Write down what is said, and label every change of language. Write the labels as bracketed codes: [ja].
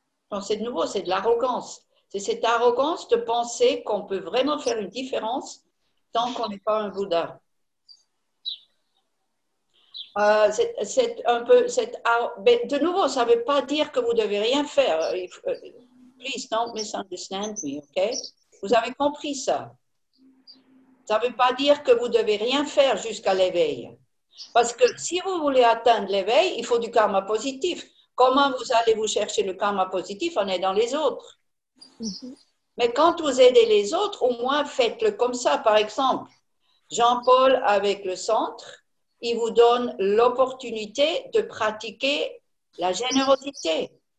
[fr] Non, c'est de nouveau, c'est de l'arrogance. C'est cette arrogance de penser qu'on peut vraiment faire une différence tant qu'on n'est pas un Bouddha. C'est un peu cette, mais de nouveau, ça ne veut pas dire que vous devez rien faire. [en] Please don't misunderstand me, ok? [fr] Vous avez compris ça? Ça ne veut pas dire que vous devez rien faire jusqu'à l'éveil, parce que si vous voulez atteindre l'éveil, il faut du karma positif. Comment vous allez vous chercher le karma positif en aidant les autres? Mais quand vous aidez les autres, au moins faites-le comme ça. Par exemple, Jean-Paul avec le centre, il vous donne l'opportunité de pratiquer la générosité.